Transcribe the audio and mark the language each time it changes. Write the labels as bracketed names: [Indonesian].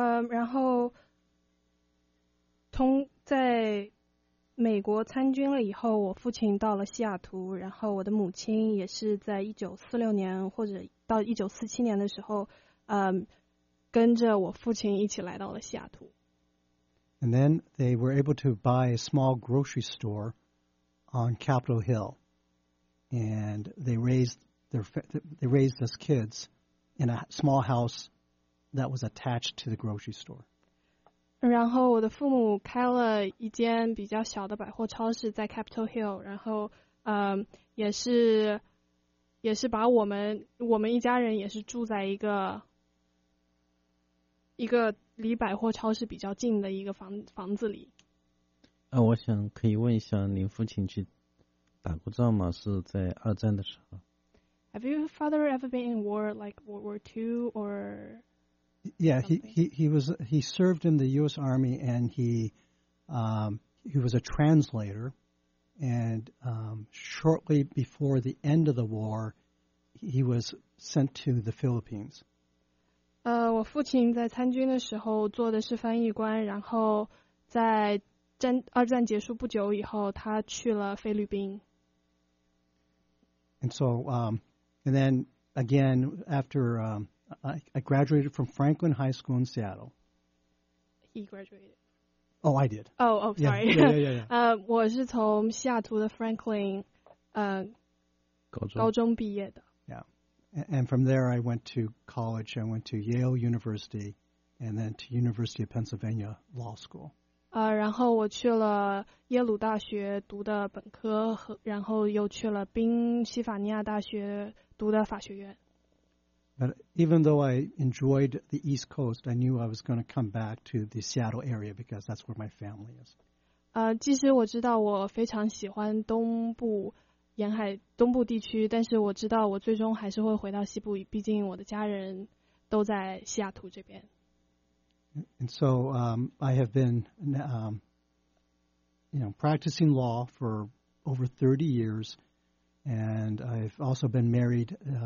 [Chinese] 然后从在美国参军了以后，我父亲到了西雅图，然后我的母亲也是在1946年或者到1947年的时候，跟着我父亲一起来到了西雅图。 [English] And then they were able to buy a small grocery store on Capitol Hill, and they raised us kids in a small house that was attached to the grocery store. [Chinese] 然后我的父母开了一间比较小的百货超市在 Capitol Hill, 然后也是把我们一家人也是住在一个离百货超市比较近的一个房子里。我想可以问一下，您父亲去打过仗吗？是在二战的时候。 [English] Have your father ever been in war, like World War II, or? Yeah, he served in the U.S. Army, and he was a translator, and shortly before the end of the war, he was sent to the Philippines. [Chinese] 我父亲在参军的时候做的是翻译官，然后在二战结束不久以后，他去了菲律宾。 [English] And so, And then again, after I graduated from Franklin High School in Seattle. He graduated. Oh, I did. Oh, sorry. Yeah. [Chinese] 我是从西雅图的 Franklin 高中毕业的。 [English] Yeah. And from there I went to college. I went to Yale University and then to University of Pennsylvania Law School. [Chinese] 然后我去了耶鲁大学读的本科，然后又去了宾夕法尼亚大学读的法学院。 [English] But even though I enjoyed the East Coast, I knew I was going to come back to the Seattle area because that's where my family is. [Chinese] 即使我知道我非常喜欢东部沿海东部地区，但是我知道我最终还是会回到西部，毕竟我的家人都在西雅图这边。 [English] And so I have been, you know, practicing law for over 30 years, and I've also been married.